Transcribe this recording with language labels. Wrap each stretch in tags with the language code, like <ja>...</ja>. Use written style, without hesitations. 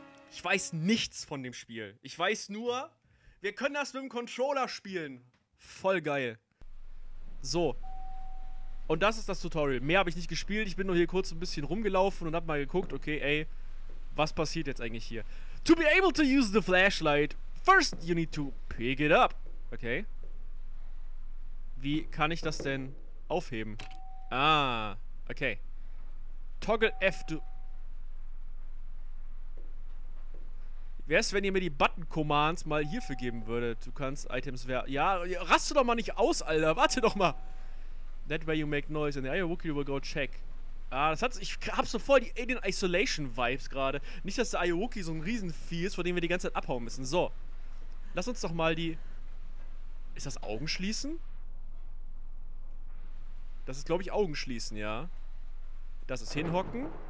<de>Ich weiß nichts von dem Spiel. Ich weiß nur, wir können das mit dem Controller spielen. Voll geil. So. Und das ist das Tutorial. Mehr habe ich nicht gespielt. Ich bin nur hier kurz ein bisschen rumgelaufen und habe mal geguckt, okay, ey, was passiert jetzt eigentlich hier?</de> <en>To be able to use the flashlight, first you need to pick it up. Okay.</en> <de>Wie kann ich das denn aufheben? Ah, okay.</de> <en>Toggle F to...</en> <de>Wäre es, wenn ihr mir die Button-Commands mal hierfür geben würdet? Du kannst Items werfen. Ja, raste doch mal nicht aus, Alter. Warte doch mal.</de> <en>That way you make noise and the Are You Wookie will go check.</en> <de>Ah, ich hab so voll die Alien Isolation Vibes gerade. Nicht, dass der Are You Wookie so ein Riesenvieh ist, vor dem wir die ganze Zeit abhauen müssen. So. Lass uns doch mal die... Ist das Augenschließen? Das ist, glaube ich, Augenschließen, ja. Das ist hinhocken.</de>